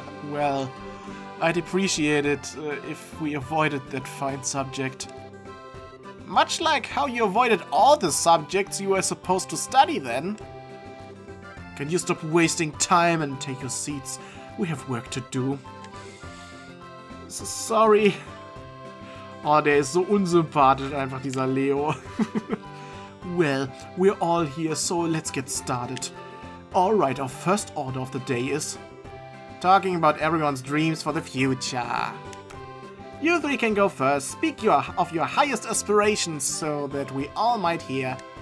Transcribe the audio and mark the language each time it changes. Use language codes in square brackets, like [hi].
[en] Well, I'd appreciate it if we avoided that fine subject. Much like how you avoided all the subjects you were supposed to study then. Can you stop wasting time and take your seats? We have work to do. Sorry. [de] Oh, der ist so unsympathisch einfach, dieser Leo. [en] Well, we're all here, so let's get started. Alright, our first order of the day is... talking about everyone's dreams for the future. You three can go first. Speak of your highest aspirations so that we all might hear.